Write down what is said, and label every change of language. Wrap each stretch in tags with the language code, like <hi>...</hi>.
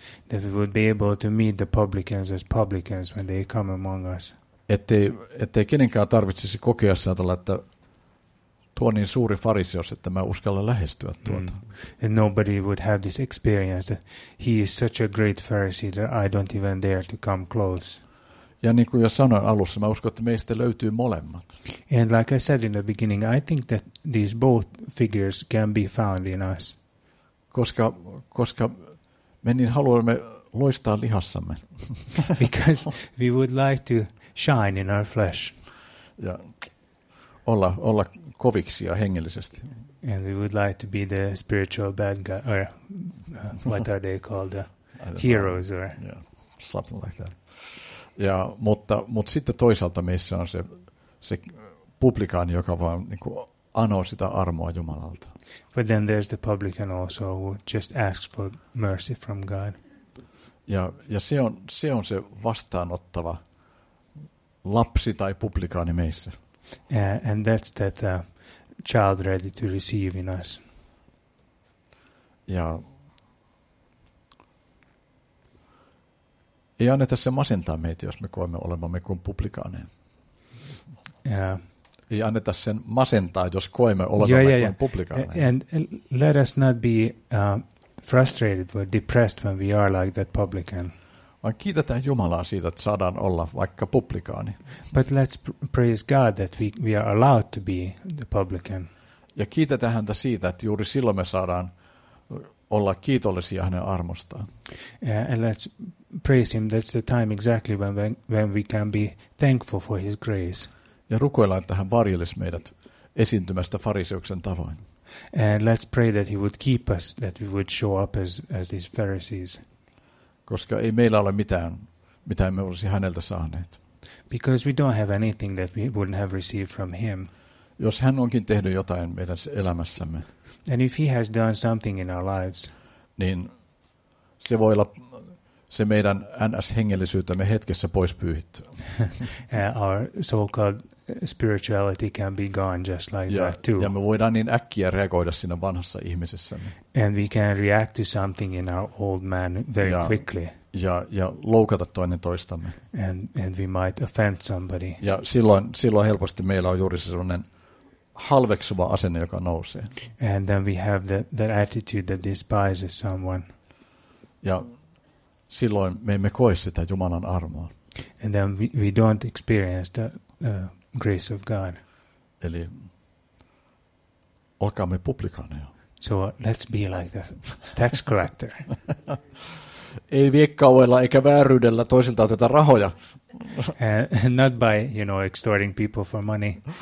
<en>That we would be able to meet the publicans as publicans when they come among us.</en> <fi>Ettei kenenkään tarvitsisi kokea sieltä, että tuo niin suuri fariseus, että mä uskalla lähestyä tuota. Mm.</fi> <en>And nobody would have this experience that he is such a great Pharisee that I don't even dare to come close.</en> <fi>Ja niin kuin jo sanoin alussa, mä uskon, että meistä löytyy molemmat.</fi> <en>And like I said in the beginning, I think that these both figures can be found in us.</en> <fi>Koska me niin haluamme loistaa lihassamme.</fi> <en>Because we would like to shine in our flesh.</en> <fi>Ja olla koviksi ja hengellisesti.</fi> <en>And we would like to be the spiritual bad guy, or what are they called, the heroes, know. Or yeah, something like that.</en> <fi>Ja mutta sitten toisaalta meissä on se publikaani, joka vaan niin kuin anoo sitä armoa Jumalalta.</fi> <en>But then there's the publican also who just asks for mercy from God.</en> <fi>Ja se on se vastaanottava lapsi tai publikaani meissä.</fi> <en>And that's that child ready to receive in us.</en> <fi>Ja ei anneta se masentaa meitä, jos me koemme olemamme kuin publikaaneja. Yeah. Ei anneta sen masentaa, jos koemme olemamme kuin publikaaneja.</fi> <en>And let us not be frustrated or depressed when we are like that publican.</en> <fi>Vaan kiitetään Jumalaa siitä, että saadaan olla vaikka publikaani.</fi> <en>But let's praise God that we are allowed to be the publican.</en> <fi>Ja kiitetään häntä siitä, että juuri silloin me saadaan olla kiitollisia hänen armostaan.</fi> <en>Yeah, and let's praise him. That's the time exactly when we can be thankful for his grace.</en> <fi>Ja rukoillaan, että hän varjelisi meidät esiintymästä fariseuksen tavoin.</fi> <en>And let's pray that he would keep us, that we would show up as these Pharisees.</en> <fi>Koska ei meillä ole mitään, mitä emme olisi häneltä saaneet.</fi> <en>Because we don't have anything that we wouldn't have received from him.</en> <fi>Jos hän onkin tehnyt jotain meidän elämässämme.</fi> <en>And if he has done something in our lives.</en> <fi>Niin se voi olla se meidän NS-hengellisyytämme hetkessä pois pyyhitty.</fi> <en>Our so-called spirituality can be gone just like</en> <fi>ja,</fi> <en>that too.</en> <fi>Ja me voidaan niin äkkiä reagoida siinä vanhassa ihmisessämme.</fi> <en>And we can react to something in our old man very</en> <fi>ja,</fi> <en>quickly.</en> <fi>Ja loukata toinen toistamme.</fi> <en>And we might offend somebody.</en> <fi>Ja silloin helposti meillä on juuri sellainen halveksuva asenne, joka nousee.</fi> <en>And then we have that attitude that despises someone.</en> <fi>Ja silloin me emme koe sitä Jumalan armoa.</fi> <en>And then we don't experience the grace of God.</en> <fi>Eli olkaamme publikaaneja.</fi> <en>So let's be like the tax collector.</en> <fi>Ei viekkaudella eikä vääryydellä toisilta oteta rahoja.</fi> <en>Not by, you know, extorting people for money.</en>